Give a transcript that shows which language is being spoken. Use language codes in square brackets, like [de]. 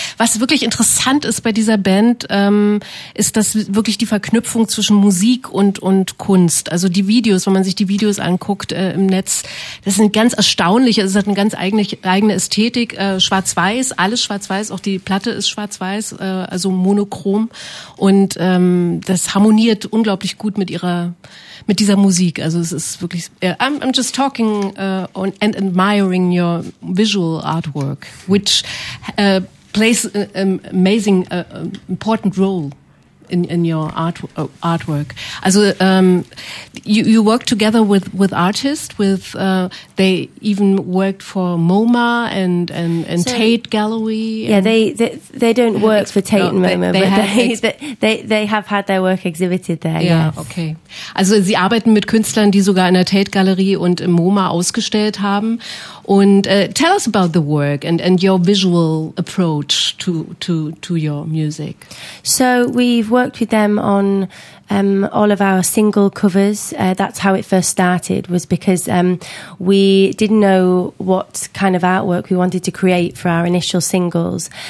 [de] Was wirklich interessant ist bei dieser Band, ist, dass wirklich die Verknüpfung zwischen Musik und Kunst, also die Videos, wenn man sich die Videos anguckt im Netz, das sind ganz erstaunliche, es hat eine ganz eigene Ästhetik, schwarz-weiß, alles schwarz-weiß, auch die Platte ist schwarz-weiß, also monochrom. Und das harmoniert unglaublich gut mit dieser Musik. Also es ist wirklich, [en] I'm just talking and admiring your visual artwork, which plays an amazing, important role in your artwork. Also you work together with artists, with they even worked for MoMA and Tate Gallery. Yeah, they don't work for Tate and MoMA, they have had their work exhibited there. Yeah, yes. Okay. [de] Also sie arbeiten mit Künstlern, die sogar in der Tate Gallery und im MoMA ausgestellt haben. [en] Und tell us about the work and your visual approach to your music. So we've worked with them on all of our single covers. That's how it first started, was because we didn't know what kind of artwork we wanted to create for our initial singles.